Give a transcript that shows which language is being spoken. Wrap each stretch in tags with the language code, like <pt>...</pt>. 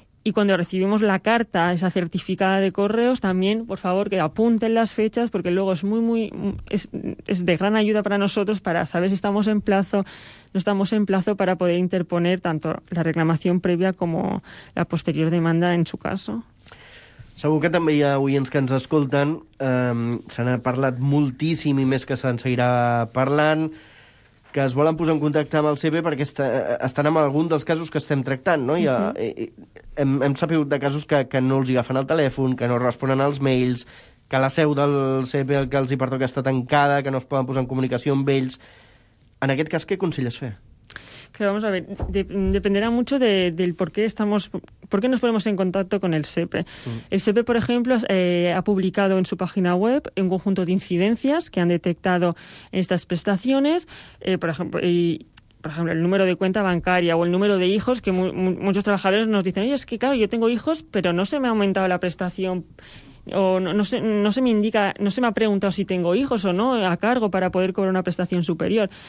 <es>Y cuando recibimos la carta, esa certificada de correos, también, por favor, que apunten las fechas, porque luego es muy, muy, es de gran ayuda para nosotros para saber si estamos en plazo, no estamos en plazo para poder interponer tanto la reclamación previa como la posterior demanda en su caso.</es> <ca>Segur que també hi ha oients que ens escolten. Se n'ha parlat moltíssim i més que se'n seguirà parlant, que es volen posar en contacte amb el SEPE perquè estan en algun dels casos que estem tractant, no? Uh-huh. Hem sabut de casos que no els agafen el telèfon, que no responen als mails, que la seu del SEPE que els hi pertoca està tancada, que no es poden posar en comunicació amb ells. En aquest cas, què aconselles fer?</ca> <es>Claro, vamos a ver, dependerá mucho del por qué nos ponemos en contacto con el SEPE. El SEPE, por ejemplo, ha publicado en su página web un conjunto de incidencias que han detectado en estas prestaciones, por ejemplo, el número de cuenta bancaria o el número de hijos, que muchos trabajadores nos dicen, oye, es que claro, yo tengo hijos, pero no se me ha aumentado la prestación, no se me ha preguntado si tengo hijos o no a cargo para poder cobrar una prestación superior.</es>